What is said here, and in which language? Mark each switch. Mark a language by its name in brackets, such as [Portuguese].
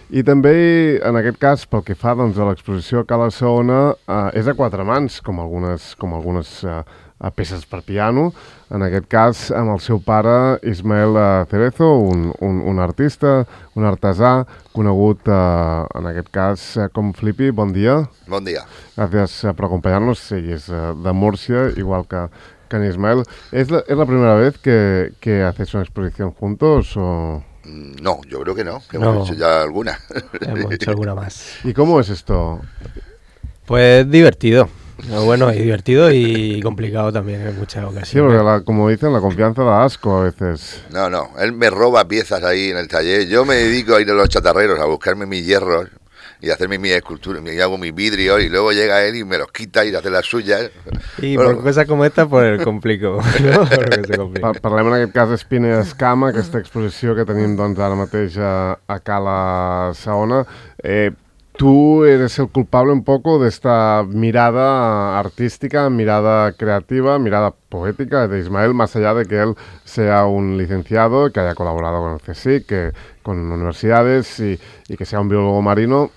[Catalan] I també, en aquest cas, pel que fa doncs, a l'exposició Calassona, és a quatre mans, com algunes a peces per piano, en aquest cas amb el seu pare Ismael Cerezo, un artista, un artesà, conegut en aquest cas com Flippy. Bon dia. Bon dia. Gràcies per acompanyar-nos. Sí, és de Múrcia, igual que en Ismael. [Spanish] ¿Es la primera vez que haces una exposición juntos o...? No, yo creo que no, que no. Hemos hecho ya alguna. Hemos hecho alguna más. ¿Y cómo es esto? Pues divertido. Bueno, y divertido y complicado también en muchas ocasiones. Sí, porque como dicen, la confianza da asco a veces. No, él me roba piezas ahí en el taller. Yo me dedico a ir a los chatarreros a buscarme mis hierros y hacerme mis esculturas, y hago mis vidrios, y luego llega él y me los quita y hace las suyas. Y bueno, por cosas como esta, pues el complico, ¿no? [Catalan] Parlem en aquest cas d'Espina i Escama, aquesta exposició que tenim doncs, ara mateix a Cala Saona. [Spanish] Tu eres el culpable un poco de esta mirada artística, mirada creativa, mirada poética de Ismael, más allá de que él sea un licenciado, que haya colaborado con el CSIC, que con universidades y que sea un biólogo marino.